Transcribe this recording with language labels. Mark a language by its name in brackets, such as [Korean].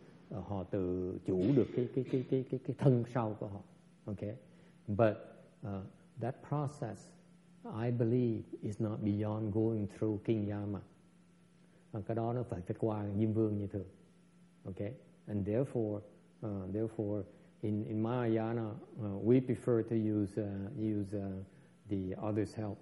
[Vietnamese] Họ tự chủ được cái thân sau của họ. [English] Okay, but that process, I believe, is not beyond going through King Yama. [Vietnamese] Cái đó nó phải qua Diêm Vương như thường. [English] Okay, and therefore, in Mahayana, we prefer to use the others' help.